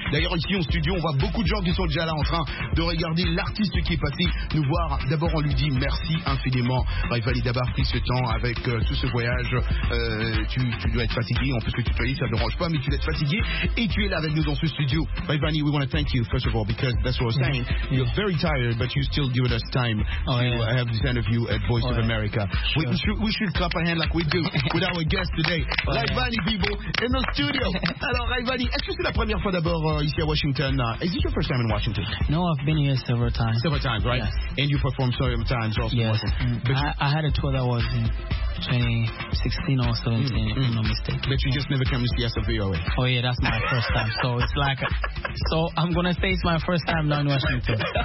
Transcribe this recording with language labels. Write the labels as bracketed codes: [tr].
[fr] D'ailleurs, ici en studio, on voit beaucoup de gens qui sont déjà là en train de regarder l'artiste qui est passé nous voir. D'abord, on lui dit merci infiniment. Ray Bani, d'abord, pris ce temps avec tout ce voyage. Tu dois être fatigué. En plus, que tu te dis, ça ne dérange pas, mais tu dois être fatigué. Et tu es là avec nous dans ce studio. [en] Ray Bani, we want to thank you, first of all, because that's what I was saying. You're very tired, but you still give us time to have this interview at Voice of America. Sure. We should clap a hand like we do with our guest today. Ray Bani, people, in the studio. [fr] Alors, Ray Bani, est-ce que c'est la première fois d'abord ici à Washington? [en] Is this your first time in Washington? No, I've been here several times. Several times, right? Yes. And you performed several times also in Washington. I had a tour that was in 2016 or 17, if I'm not mistaken. But you just never came to see us at VOA. Oh, yeah, that's my first time. So it's like, I'm going to say it's my first time now in Washington.